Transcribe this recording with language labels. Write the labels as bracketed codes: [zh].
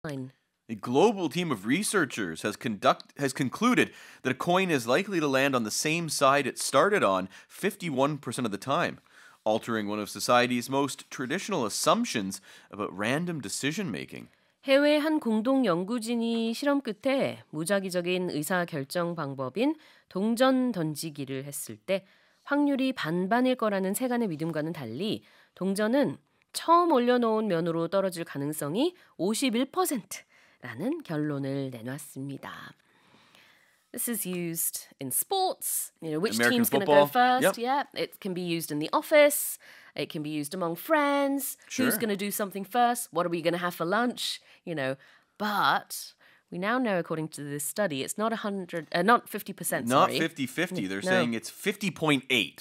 [en] A global team of researchers has concluded that a coin is likely to land on the same side it started on 51% of the time, altering one of society's most traditional assumptions about random decision-making. [ko] 해외 한 공동 연구진이 실험 끝에 무작위적인 의사 결정 방법인 동전 던지기를 했을 때 확률이 반반일 거라는 세간의 믿음과는 달리 동전은 처음 올려놓은 면으로 떨어질 가능성이 51%라는 결론을 내놨습니다. [en] This is used in sports. You know, which American team's going to go first? Yep. Yeah, it can be used in the office. It can be used among friends. Sure. Who's going to do something first? What are we going to have for lunch? You know, but we now know, according to this study, it's not 50%. Not 50-50. They're saying it's 50.8.